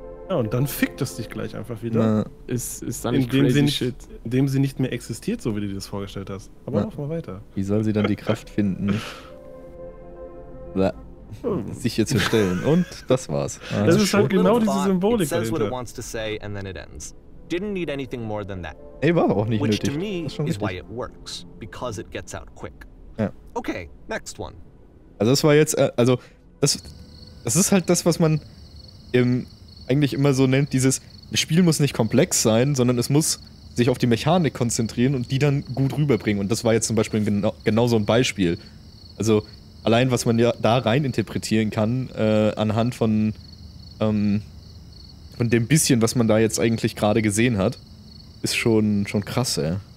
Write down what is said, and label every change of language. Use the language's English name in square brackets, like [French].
[German] Ja, und dann fickt es dich gleich einfach wieder. Ist dann nicht [English] crazy shit. [German] Indem sie nicht mehr existiert, so wie du dir das vorgestellt hast. Aber mach mal weiter. Wie soll sie dann die Kraft finden, sich hier zu stellen? Und das war's. Das ist halt genau diese Symbolik dahinter. [English] It says what it wants to say and then it ends. Didn't need anything more than that. [German] Ey, war auch nicht nötig. [English] Which to me is why it works. Because it gets out quick. [German] Ja. [English] Okay, next one. [German] Also das war jetzt, also das ist halt das, was man im eigentlich immer so nennt, dieses Spiel muss nicht komplex sein, sondern es muss sich auf die Mechanik konzentrieren und die dann gut rüberbringen. Und das war jetzt zum Beispiel genau so ein Beispiel. Also allein, was man ja da rein interpretieren kann, anhand von dem bisschen, was man da jetzt eigentlich gerade gesehen hat, ist schon krass, ey.